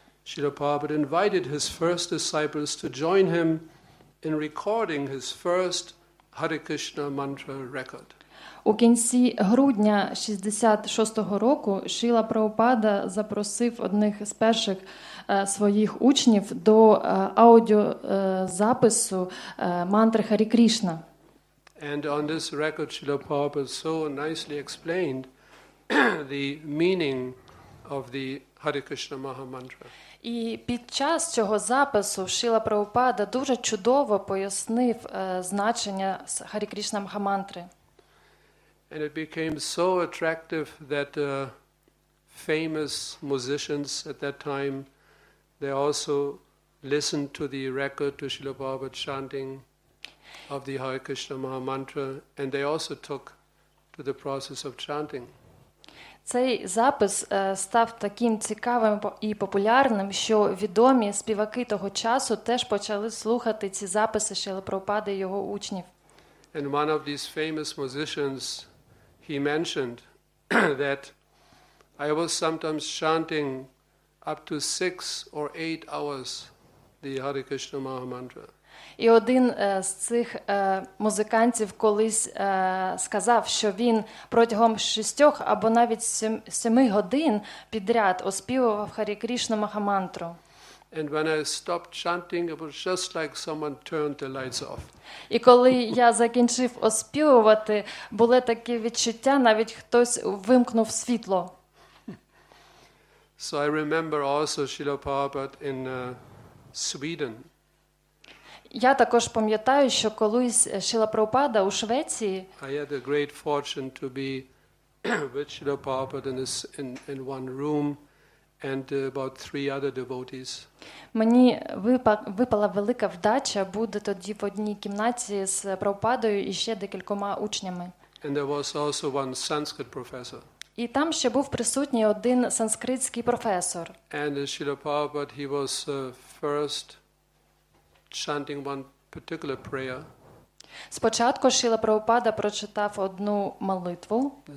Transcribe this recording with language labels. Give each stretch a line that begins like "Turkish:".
English: Srila Prabhupada invited his first disciples to join him in recording his first Hare Krishna mantra record.
Ukrainian: У кінці грудня 66-го року Шріла Прабхупада запросив одних з перших своїх учнів до аудіозапису мантри Харі Кришна.
English: And on this record Шріла Прабхупада so nicely explained the meaning of the Hare Krishna Maha Mantra.
Ukrainian: І під час цього запису Шріла Прабхупада дуже чудово пояснив значення Харі Кришна Маха Мантри.
English: And it became so attractive that famous musicians at that time, they also listened to the record to Srila Prabhupada chanting of the Hare Krishna Maha Mantra, and they also took to the process of chanting.
Ukrainian: Цей запис став таким цікавим і популярним, що відомі співаки того часу теж почали слухати ці записи Шріли Прабхупади і його учнів.
English: And one of these famous musicians, he mentioned that I was sometimes chanting up to 6 or 8 hours the Hare Krishna Maha Mantra.
Ukrainian: І один з цих музикантів колись сказав, що він протягом 6 або навіть 7 годин підряд оспівував Харі Кришна Маха Мантру.
English: And when I stopped chanting, it was just like someone turned the lights off.
Ukrainian: І коли я закінчив оспівувати, було таке відчуття, навіть хтось вимкнув світло.
English: So I remember also Srila Prabhupada in Sweden.
Ukrainian: Я також пам'ятаю, що колись Шріла Прабхупада у Швеції.
English: I had the great fortune to be with Srila Prabhupada in one room. And about 3 other devotees.
Ukrainian: Мені випала велика вдача бути тоді в одній кімнаті з Прабхупадою і ще декількома учнями.
English: And there was also one Sanskrit professor.
Ukrainian: І там ще був присутній один санскритський професор.
English: And Srila Prabhupada, he was first chanting one particular prayer.
Ukrainian: Спочатку Шріла Прабхупада прочитав одну молитву.